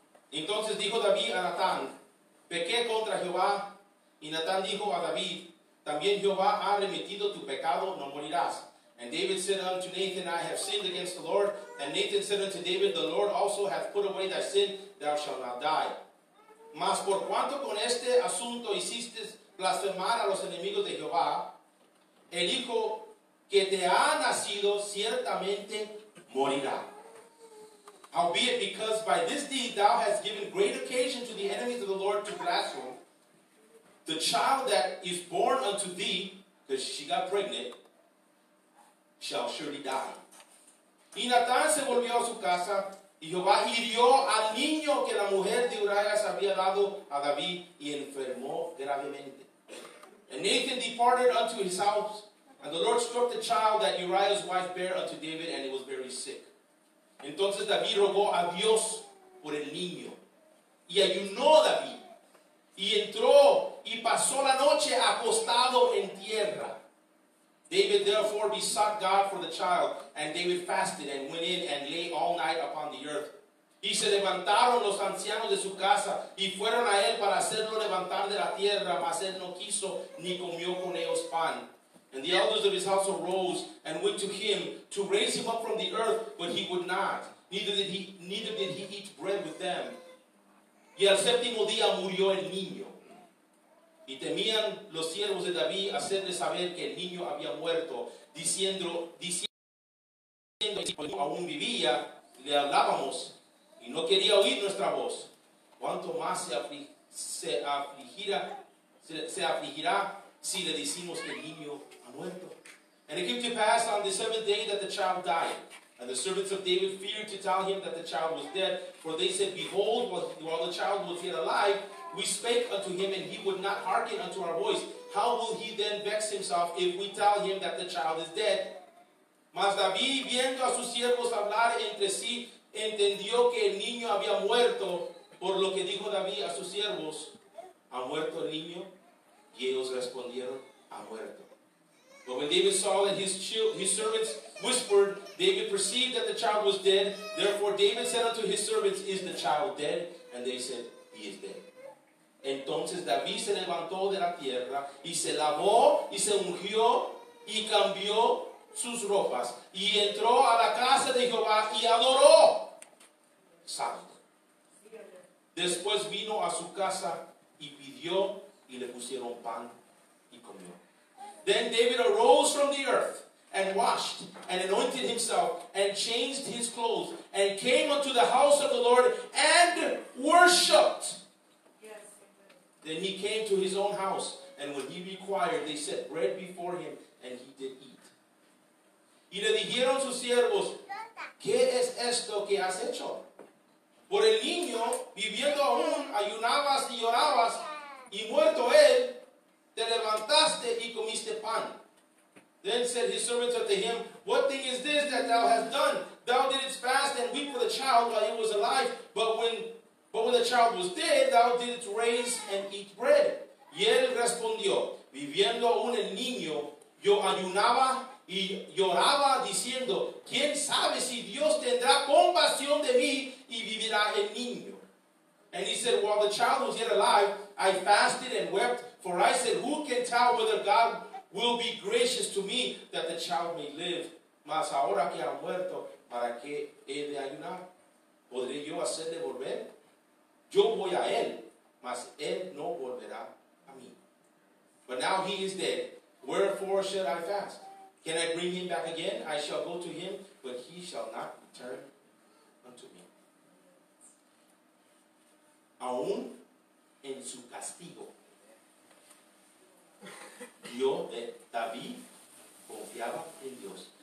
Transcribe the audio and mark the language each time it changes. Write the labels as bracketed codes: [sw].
[es] Entonces dijo David a Natán: pequé contra Jehová. Y Natán dijo a David: también Jehová ha remitido tu pecado, no morirás. [en] And David said unto Nathan, I have sinned against the Lord. And Nathan said unto David, the Lord also hath put away thy sin, thou shalt not die. [es] Mas por cuanto con este asunto hiciste blasfemar a los enemigos de Jehová, el hijo que te ha nacido ciertamente morirá. [en] Howbeit, because by this deed thou hast given great occasion to the enemies of the Lord to blaspheme, the child that is born unto thee, because she got pregnant, shall surely die. [es] Y Natán se volvió a su casa, y Jehová hirió al niño que la mujer de Urias había dado a David, y enfermó gravemente. [en] And Nathan departed unto his house, and the Lord struck the child that Urias' wife bare unto David, and he was very sick. [es] Entonces David rogó a Dios por el niño. Y ayunó David. Y entró y pasó la noche acostado en tierra. [en] David therefore besought God for the child. And David fasted and went in and lay all night upon the earth. [es] Y se levantaron los ancianos de su casa y fueron a él para hacerlo levantar de la tierra. Mas él no quiso ni comió con ellos pan. [en] And the elders of his house arose and went to him to raise him up from the earth, but he would not. Neither did he eat bread with them. [es] Y al séptimo día murió el niño. Y temían los siervos de David hacerle saber que el niño había muerto, diciendo que aún vivía, le hablábamos, y no quería oír nuestra voz. ¿Cuánto más se afligirá si le decimos que el niño ha muerto? [en] And it came to pass on the seventh day that the child died. And the servants of David feared to tell him that the child was dead. For they said, behold, while the child was yet alive, we spake unto him, and he would not hearken unto our voice. How will he then vex himself if we tell him that the child is dead? [es] Mas David, viendo a sus siervos hablar entre sí, entendió que el niño había muerto, por lo que dijo David a sus siervos, ¿ha muerto el niño? Y ellos respondieron, ha muerto. [en] But when David saw that his servants whispered, David perceived that the child was dead. Therefore David said unto his servants, is the child dead? And they said, he is dead. [es] Entonces David se levantó de la tierra, y se lavó, y se ungió, y cambió sus ropas, y entró a la casa de Jehová, y adoró. Santo. Después vino a su casa, y pidió, y le pusieron pan, y comió. [en] Then David arose from the earth, and washed, and anointed himself, and changed his clothes, and came unto the house of the Lord, and worshipped. Then he came to his own house, and when he required, they set bread before him, and he did eat. [es] Y le dijeron sus siervos, ¿qué es esto que has hecho? Por el niño, viviendo aún, ayunabas y llorabas, y muerto él, te levantaste y comiste pan. [en] Then said his servants unto him, what thing is this that thou hast done? Thou didst fast and weep for the child while he was alive, but when the child was dead, thou didst raise and eat bread. [es] Y él respondió, viviendo aún el niño, yo ayunaba y lloraba diciendo, ¿quién sabe si Dios tendrá compasión de mí y vivirá el niño? [en] And he said, while the child was yet alive, I fasted and wept, for I said, who can tell whether God will be gracious to me that the child may live? [es] Mas ahora que ha muerto, ¿para qué he de ayunar? ¿Podré yo hacerle volver? Yo voy a él, mas él no volverá a mí. [en] But now he is dead. Wherefore should I fast? Can I bring him back again? I shall go to him, but he shall not return unto me. [es] Aún en su castigo, David confiaba en Dios.